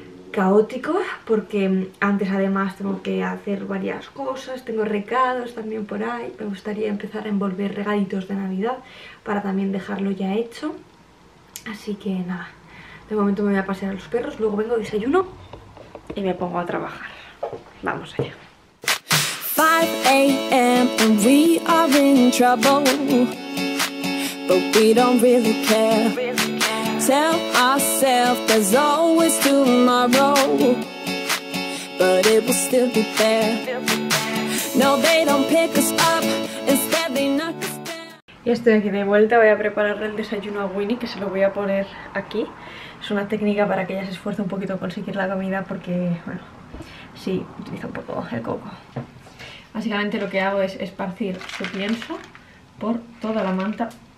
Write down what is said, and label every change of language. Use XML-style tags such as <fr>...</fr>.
<es>caótico porque antes además tengo que hacer varias cosas, tengo recados también por ahí, me gustaría empezar a envolver regalitos de Navidad para también dejarlo ya hecho, así que nada, de momento me voy a pasear a los perros, luego vengo, desayuno y me pongo a trabajar. Vamos allá. 5 a.m.</es> <en>and we are in trouble, but we don't really care. Tell ourselves there's always tomorrow, but it will still be there. No, they don't pick us up, instead they knock us down.</en> <es>Y estoy aquí de vuelta, voy a preparar el desayuno a Winnie, que se lo voy a poner aquí. Es una técnica para que ella se esfuerce un poquito a conseguir la comida porque, bueno, sí, utiliza un poco el coco. Básicamente lo que hago es esparcir su pienso por toda la manta.</es>